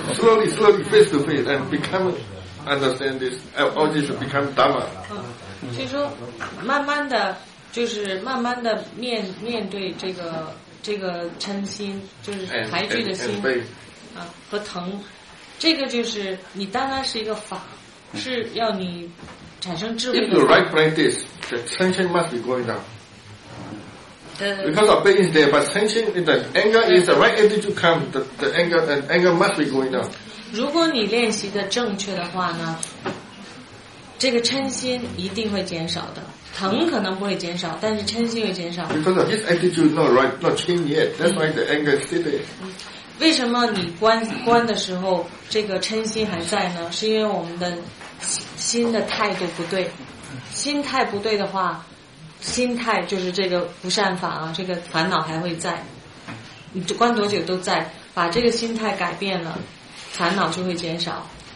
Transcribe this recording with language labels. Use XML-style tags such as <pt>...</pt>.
<en>Slowly, slowly, face to face, and become understand this. All this become dharma.</en> <zh>嗯，就是说，慢慢的，就是慢慢的面对这个嗔心，就是排拒的心。啊，和疼，这个就是你单单是一个法，是要你产生智慧的。</zh> <en>If you right practice, the tension must be going down. Because of pain is there, but tension is the anger is the right energy to come. The anger must be going down.</en> <zh>如果你练习的正确的话呢，这个嗔心一定会减少的。疼可能不会减少，但是嗔心会减少。</zh> <en>Because of his attitude not right, not changed yet. That's why the anger is still there.</en> <zh>为什么你关的时候这个嗔心还在呢？是因为我们的心的态度不对。心态不对的话，心态就是这个不善法啊，这个烦恼还会在。你关多久都在，把这个心态改变了，烦恼就会减少。</zh>